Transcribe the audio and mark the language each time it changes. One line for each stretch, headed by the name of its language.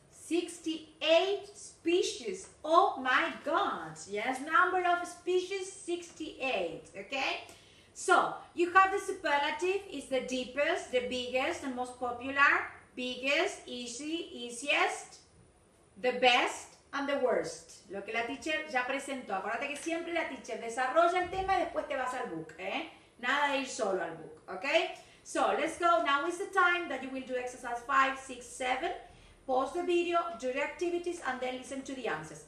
English: 68 species. Oh my God. Yes, number of species 68, okay? So, you have the superlative is the deepest, the biggest, the most popular, biggest, easy, easiest, the best and the worst.
Spanish: Lo que la teacher ya presentó. Acuérdate que siempre la teacher desarrolla el tema y después te vas al book, ¿eh? Nada de ir solo al book, okay?
English: So, let's go. Now is the time that you will do exercise 5, 6, 7. Pause the video, do the activities, and then listen to the answers.